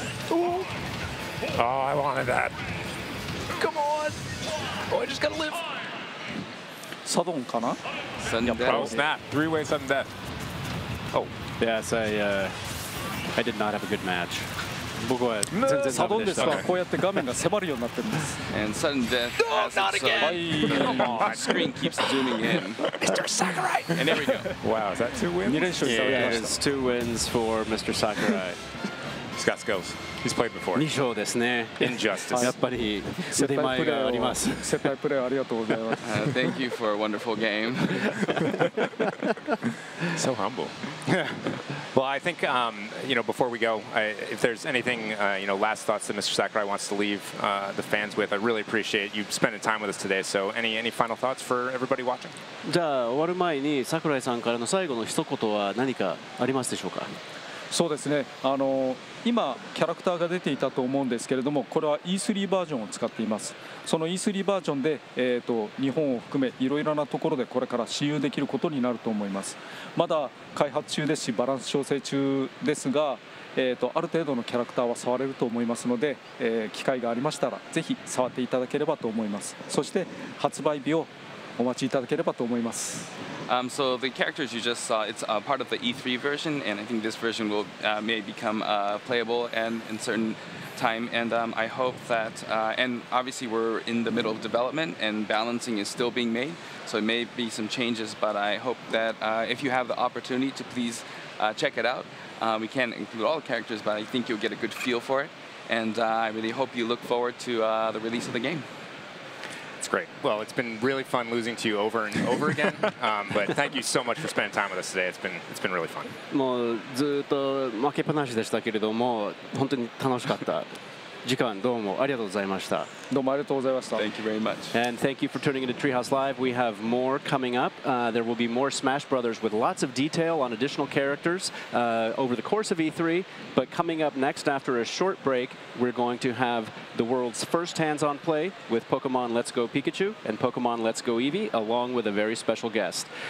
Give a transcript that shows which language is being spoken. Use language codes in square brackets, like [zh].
[en] Oh, I wanted that. Come on. Oh, I just gotta live. [ja] サドンかな？サドンか。 [en] Oh snap! Three-way sudden death. Oh. Yes, I did not have a good match. [ja] 僕は全然サドンですが、こうやって画面が迫るようになってるんです。 [en] And sudden death. No, not again. My screen keeps zooming in. Mr. Sakurai. And there we go. Wow, is that two wins? [ja] 2連勝。 [en] Yeah, it's two wins for Mr. Sakurai. He's got skills. He's played before. [ja] 2勝ですね。 [en] Injustice. [ja] やっぱり腕前があります。接待プレーありがとうございます。 [en] Thank you for a wonderful game. So humble. Well, I think, before we go, if there's anything, last thoughts that Mr. Sakurai wants to leave the fans with, I really appreciate you spending time with us today. So any final thoughts for everybody watching? [ja] じゃあ、終わる前に Sakurai さんからの最後の一言は何かありますでしょうか？そうですね。今、キャラクターが出ていたと思うんですけれども、これは E3 バージョンを使っています。その E3 バージョンで、日本を含めいろいろなところでこれから試遊できることになると思います。まだ開発中ですし、バランス調整中ですが、ある程度のキャラクターは触れると思いますので、機会がありましたらぜひ触っていただければと思います。そして発売日をお待ちいただければと思います。 [en] So the characters you just saw, it's a part of the E3 version, and I think this version will may become playable and in certain time. And I hope that, and obviously we're in the middle of development and balancing is still being made, so it may be some changes, but I hope that if you have the opportunity to please check it out. We can't include all the characters, but I think you'll get a good feel for it. And I really hope you look forward to the release of the game. It's great. Well, it's been really fun losing to you over and over again. but thank you so much for spending time with us today. It's been really fun. [ja] もうずっと負けっぱなしでしたけれども、本当に楽しかった。時間どうもありがとうございました。どうもありがとうございました。 [en] Thank you very much. And thank you for tuning into Treehouse Live. We have more coming up. There will be more Smash Brothers with lots of detail on additional characters over the course of E3. But coming up next after a short break, we're going to have the world's first hands-on play with Pokemon Let's Go Pikachu and Pokemon Let's Go Eevee, along with a very special guest.